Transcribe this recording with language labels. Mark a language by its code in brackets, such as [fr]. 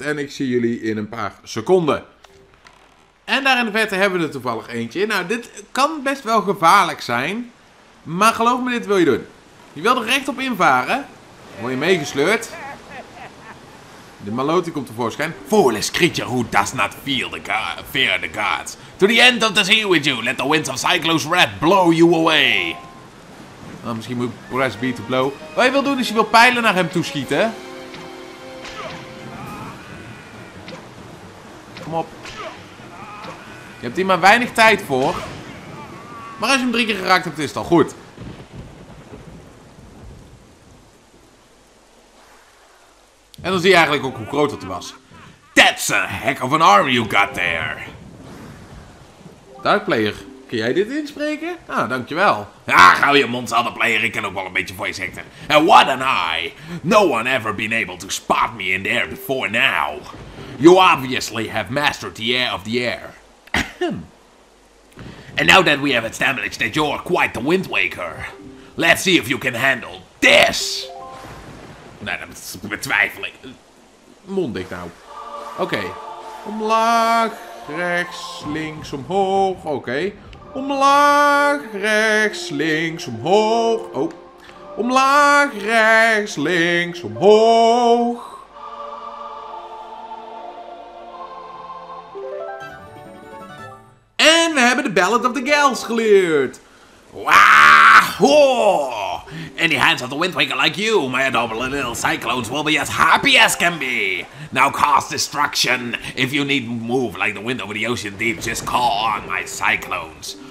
[nl] En ik zie jullie in een paar seconden. En daar in de verte hebben we er toevallig eentje. Nou, dit kan best wel gevaarlijk zijn. Maar geloof me, dit wil je doen. Je wil er recht op invaren. Word je meegesleurd. De Maloti komt tevoorschijn. [en] Foolish creature who does not fear the gods. To the end of the sea with you, let the winds of Cyclo's wrath blow you away. [nl] Oh, misschien moet ik [en] press B to blow. [nl] Wat je wil doen is je wil pijlen naar hem toeschieten. Kom op. Je hebt hier maar weinig tijd voor. Maar als je hem 3 keer geraakt hebt, is het al goed. En dan zie je eigenlijk ook hoe groot het was. [en] That's a heck of an arm you got there. [nl] Darkplayer, kun jij dit inspreken? Ah, dankjewel. Ah, hou je mond, Zeldaplayer. Ik ken ook wel een beetje voice acting. [en] And what an eye. No one ever been able to spot me in there before now. You obviously have mastered the air of the air. And now that we have established that you're quite the Wind Waker. Let's see if you can handle this. [nl] Nee, dat is betwijfeling. Mond dicht nou. Oké. Omlaag, rechts, links, omhoog. Oké. Omlaag, rechts, links, omhoog. Oh. Omlaag, rechts, links, omhoog. En we hebben de Ballad of the Gals geleerd. Wauw. [en] In the hands of the Wind Waker like you, my adorable little cyclones will be as happy as can be. Now cause destruction. If you need move like the wind over the ocean deep, just call on my cyclones.